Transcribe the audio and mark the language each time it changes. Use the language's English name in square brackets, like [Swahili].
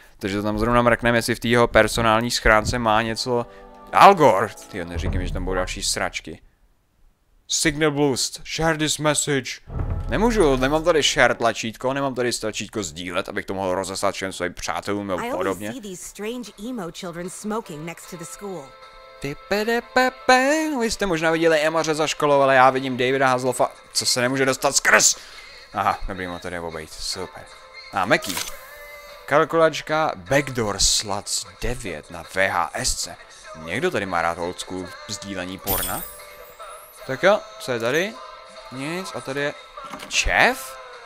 [Czech] Takže tam zrovna mrkneme, jestli v té jeho personální schránce má něco... Al Gore! Tyjo, neříkej mi, že tam budou další sračky. [English] Signal boost, share this message. [Czech] Nemůžu, nemám tady share tlačítko, nemám tady tlačítko sdílet, abych to mohl rozeslat všem svým přátelům a podobně. [English] I always see these strange emo children smoking next to the school. [Czech] Tipedepepe, vy jste možná viděli emoře za školou, ale já vidím Davida Hasselhoffa, co se nemůže dostat skrz. Aha, dobrý, má tady obejít, super. A Mackie. Kalkulačka Backdoor Sluts 9 na VHSC. Někdo tady má rád old school sdílení porna? Tak jo, co je tady? Nic, a tady je... Chef?